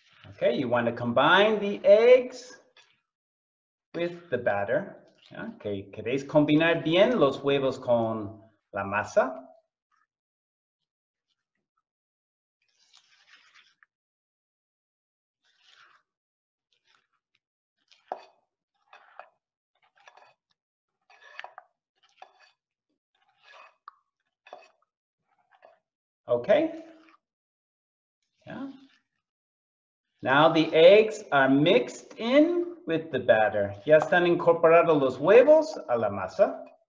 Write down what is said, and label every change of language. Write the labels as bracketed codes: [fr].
[en] Okay, you want to combine the eggs with the batter. [es] Okay, ¿queréis combinar bien los huevos con la masa? [en] Okay. Yeah. Now the eggs are mixed in with the batter. [es] Ya están incorporados los huevos a la masa.